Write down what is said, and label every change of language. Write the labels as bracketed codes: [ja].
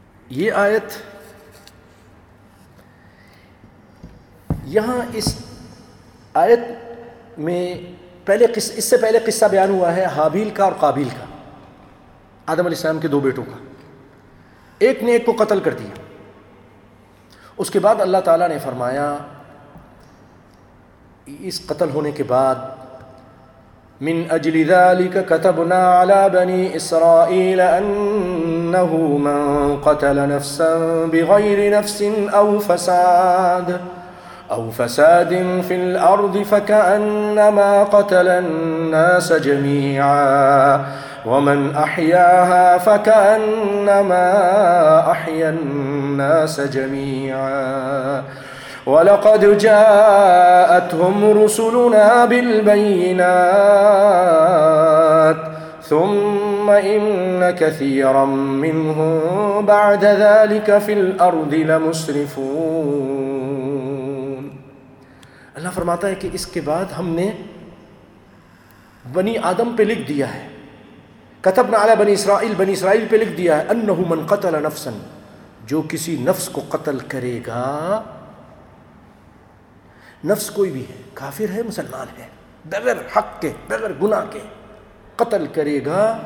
[ur] یہ آیت یہاں, اس آیت میں پہلے اس سے پہلے قصہ بیان ہوا ہے حابیل کا اور قابیل کا, آدم علیہ السلام کے دو بیٹوں کا, ایک نے ایک کو قتل کر دیا. اس کے بعد اللہ تعالیٰ نے فرمایا, اس قتل ہونے کے بعد, [ar] من اجل ذلك كتبنا على بني اسرائيل انه من قتل نفسا بغير نفس او فساد في الارض فكانما قتل الناس جميعا ومن احياها فكانما احيا الناس جميعا وَلَقَدْ جَاءَتْهُمْ رُسُلُنَا بِالْبَيِّنَاتِ ثم إن كثيرا منهم بعد ذلك في الأرض لمسرفون. [ur] اللہ فرماتا ہے کہ اس کے بعد ہم نے بنی آدم پہ لکھ دیا ہے, [ar] کتبنا علی بنی اسرائیل, [ur] بنی اسرائیل پہ لکھ دیا ہے, [ar] انہ من قتل نفسا, [ur] جو کسی نفس کو قتل کرے گا, نفس کوئی بھی ہے, کافر ہے مسلمان ہے, بغیر حق کے بغیر گناہ کے قتل کرے گا,